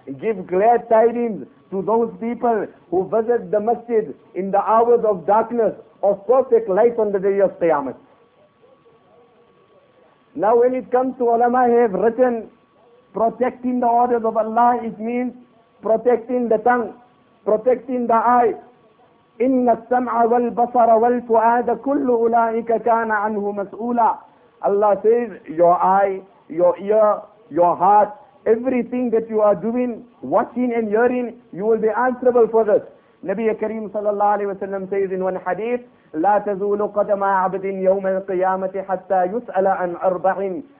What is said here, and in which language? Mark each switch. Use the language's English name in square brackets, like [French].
[English] Give glad tidings to those people who visit the masjid in the hours of darkness of perfect light on the day of Qiyamah. Now when it comes to ulama have written, protecting the orders of Allah, it means protecting the tongue, protecting the eye. [Arabic] إِنَّ السَّمْعَ وَالْبَصَرَ وَالْفُعَادَ كُلُّ أُولَٰئِكَ كَانَ عَنْهُ مَسْئُولًا. [English] Allah says, your eye, your ear, your heart, everything that you are doing, watching and hearing, you will be answerable for this. Nabi Kareem sallallahu alayhi wa sallam says in one hadith, [Arabic] لَا تَزُولُ قَدَمَا عَبْدٍ يَوْمَ الْقِيَامَةِ حَتَّى يُسْأَلَ عَنْ أَرْبَعٍ.